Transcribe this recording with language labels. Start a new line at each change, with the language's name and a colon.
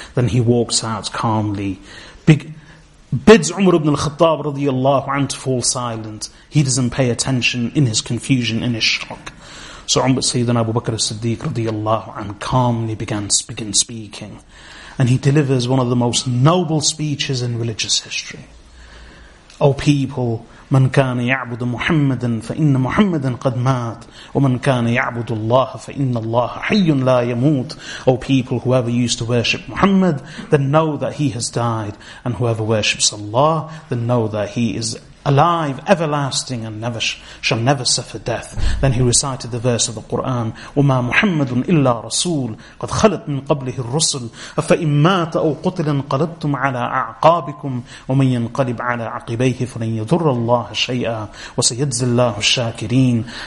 English: Then he walks out calmly, bids Umar ibn al-Khattab radiallahu anhu to fall silent. He doesn't pay attention in his confusion, in his shock. So Umar Sayyidina Abu Bakr as-Siddiq radiallahu anhu calmly began speaking. And he delivers one of the most noble speeches in religious history. O people,
Arabic: من كان يعبد محمدا فإن محمدا قد مات ومن كان يعبد الله فإن الله حي لا يموت.
English: O people, whoever used to worship Muhammad, then know that he has died, and whoever worships Allah, then know that he is alive, everlasting, and never shall never suffer death. Then he recited the verse of the Quran:
Arabic: "وَمَا مُحَمَّدٌ إِلَّا رَسُولٌ قَدْ خَلَتْ مِنْ قَبْلِهِ الرُّسُلُ أَفَإِنْ مَاتَ أَوْ قُتِلَ انْقَلَبْتُمْ عَلَى أَعْقَابِكُمْ وَمَنْ يَنْقَلِبْ عَلَى عَقِبَيْهِ فَلَنْ يَضُرَّ اللَّهَ شَيْئًا وَسَيَجْزِي اللَّهُ الشَّاكِرِينَ."